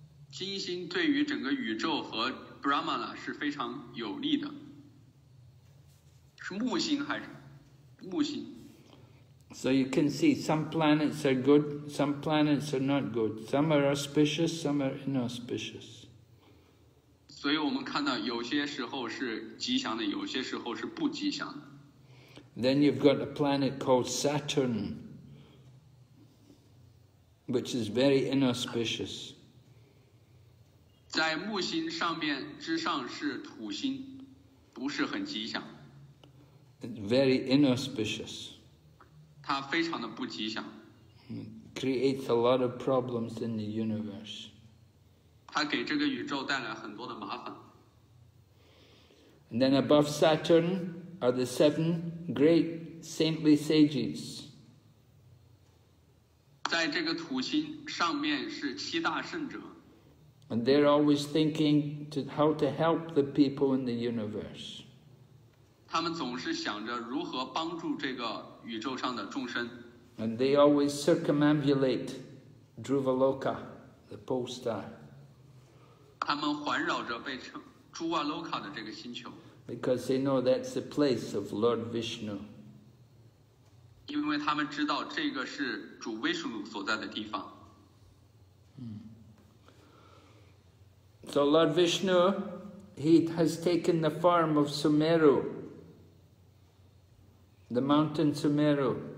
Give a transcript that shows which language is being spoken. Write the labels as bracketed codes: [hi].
[zh] 金星对于整个宇宙和 Brahmana 是非常有利的。是木星还是木星？ [en] So you can see some planets are good, some planets are not good. Some are auspicious, some are inauspicious. [zh] 所以我们看到有些时候是吉祥的，有些时候是不吉祥的。 [en] Then you've got a planet called Saturn, which is very inauspicious. [zh] 在木星上面之上是土星，不是很吉祥。 [en] very inauspicious. [zh] 它非常的不吉祥。 [en] Creates a lot of problems in the universe. [zh] 它给这个宇宙带来很多的麻烦。 [en] And then above Saturn are the seven great saintly sages. [zh] 在这个土星上面是七大圣者。 [en] And they're always thinking to how to help the people in the universe. [zh] 他们总是想着如何帮助这个宇宙上的众生。 [en] And they always circumambulate Dhruvaloka, the pole star. [zh] 他们环绕着被称朱瓦洛卡的这个星球。 [en] Because they know that's the place of Lord Vishnu. [zh] 因为他们知道这个是主威士努所在的地方。 [en] So Lord Vishnu, he has taken the form of Sumeru, the mountain Sumeru.